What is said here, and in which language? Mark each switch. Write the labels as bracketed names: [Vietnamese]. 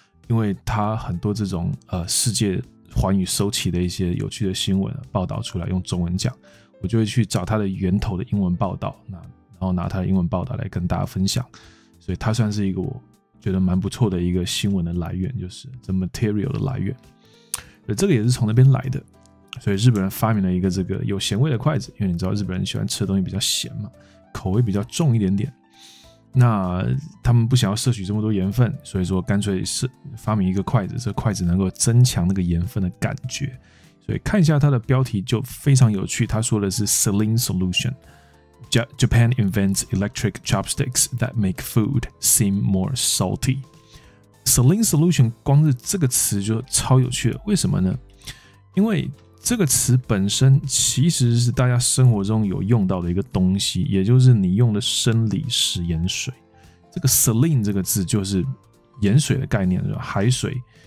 [Chinese] 因为它很多这种世界寰宇收起的一些有趣的新闻报道出来，用中文讲，我就会去找它的源头的英文报道，然后拿它的英文报道来跟大家分享，所以它算是一个我觉得蛮不错的一个新闻的来源，就是 [English] the material [Chinese] 的来源，这个也是从那边来的。所以日本人发明了一个这个有咸味的筷子，因为你知道日本人喜欢吃的东西比较咸嘛，口味比较重一点点，那他们不想要摄取这么多盐分，所以说干脆是发明一个筷子，这个筷子能够增强那个盐分的感觉。所以看一下它的标题就非常有趣，他说的是 [English] Saline Solution， Japan invents electric chopsticks that make food seem more salty。 [Chinese] Saline Solution 光是这个词就超有趣的，为什么呢？因为这个词本身其实是大家生活中有用到的一个东西，也就是你用的生理食盐水。这个 saline 这个字就是盐水的概念，海水。